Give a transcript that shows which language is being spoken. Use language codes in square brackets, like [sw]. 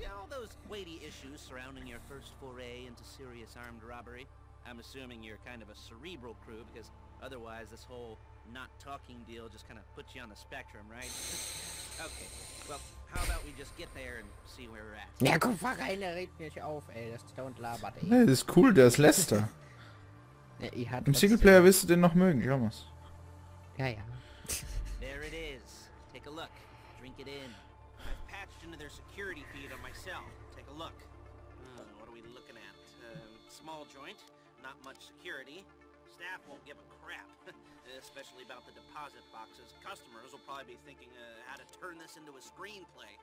[en] You know, all those weighty issues surrounding your first foray into serious armed robbery. I'm assuming you're kind of a cerebral crew, because otherwise this whole not talking deal just kind of puts you on the spectrum, right? Okay, well, how about we just get there and see where we're at? [de] Ja, komm, fuck, einer regt mich auf, ey, das ist dauernd labert, ey. Nee, das ist cool, der ist Lester. Ja, im Singleplayer wirst du den noch mögen, Thomas. Ja, ja. [en] There it is. Take a look. Drink it in. I've patched into their security feed on my cell. Take a look. What are we looking at? Small joint. Not much security. Staff won't give a crap. Especially about the deposit boxes. Customers will probably be thinking how to turn this into a screenplay.